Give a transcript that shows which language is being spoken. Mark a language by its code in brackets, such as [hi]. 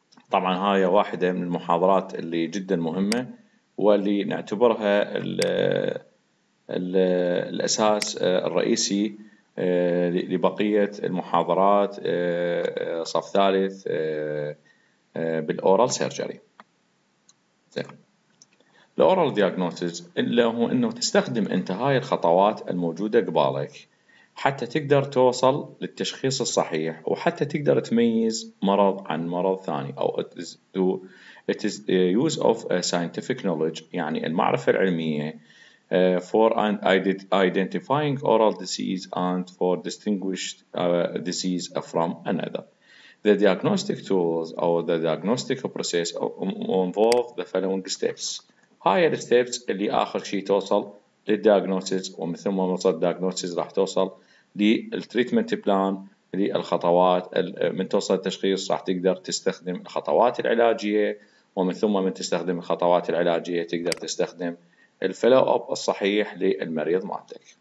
[ar] طبعا هاي واحدة من المحاضرات اللي جدا مهمة، واللي نعتبرها الأساس الرئيسي لبقية المحاضرات صف ثالث بالأورال سيرجري. الأورال دياغنوستيز اللي هو إنه تستخدم أنت هاي الخطوات الموجودة قبالك حتى تقدر توصل للتشخيص الصحيح، وحتى تقدر تميز مرض عن مرض ثاني. [en] أو it is use of scientific knowledge، [ar] يعني المعرفة العلمية [en] for identifying oral disease and for distinguished disease from another. The diagnostic tools or the diagnostic process involve the following steps. [ar] هاي الستيبس اللي اخر شيء توصل للدياغنوسيس، ومثل ما وصل الدياغنوسيس راح توصل للتريتمنت بلان، للخطوات. من توصل التشخيص راح تقدر تستخدم الخطوات العلاجيه، ومن ثم من تستخدم الخطوات العلاجيه تقدر تستخدم الفولو اب الصحيح للمريض مالتك.